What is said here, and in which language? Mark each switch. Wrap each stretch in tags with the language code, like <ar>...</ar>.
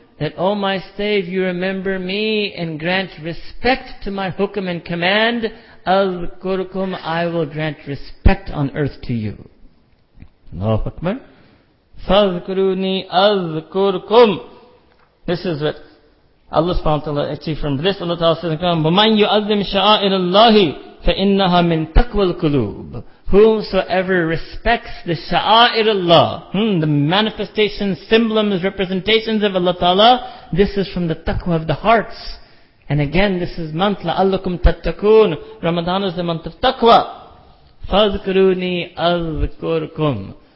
<en>That, O my slave, you remember me and grant respect to my hukum and command.</en> <ar>أَذْكُرْكُمْ,</ar> <en>I will grant respect on earth to you.</en> <ar>Allahu Akbar. فَذْكُرُونِي أَذْكُرْكُمْ.</ar> <en>This is what Allah subhanahu wa ta'ala achieved from this. Allah ta'ala says in the Quran,</en> <ar>وَمَنْ يُعَذِّمْ شَعَائِرَ اللَّهِ فَإِنَّهَا مِنْ تَقْوَى الْقُلُوبِ.</ar> <en>Whomsoever respects the Sha'air Allah, the manifestations, symbols, representations of Allah Ta'ala, this is from the taqwa of the hearts. And again, this is month,</en> <ar>لَعَلَّكُمْ تَتَّقُونَ.</ar> <en>Ramadan is the month of taqwa.</en> <ar>فَذْكُرُونِي أَذْكُرْكُمْ.</ar>